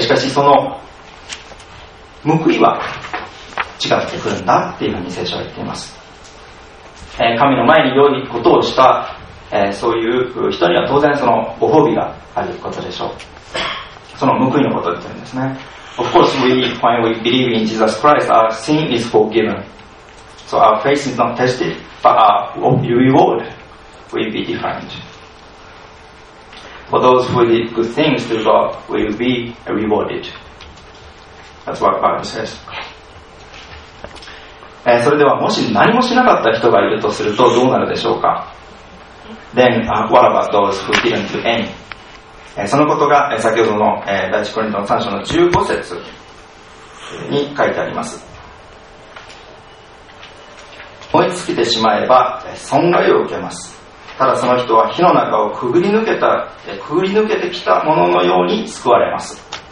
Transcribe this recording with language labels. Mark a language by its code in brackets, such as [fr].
[ja] しかしその報いは違ってくるんだっていうふうに聖書は言っています。神の前に良いことをした、そういう人には当然そのご褒美があることでしょう。その報いのことを言っているんですね。 [en] Of course, when we believe in Jesus Christ, our sin is forgiven. So our faith is not tested, but our reward will be different. For those who did good things to God will be rewarded. That's what Bible says. [ja] それではもし何もしなかった人がいるとするとどうなるでしょうか。 [en] Then what about those who didn't do any? [ja] そのことが先ほどの第1コリントの3章の15節に書いてあります。燃え尽きてしまえば損害を受けます。ただその人は火の中をくぐり抜けてきたもののように救われます。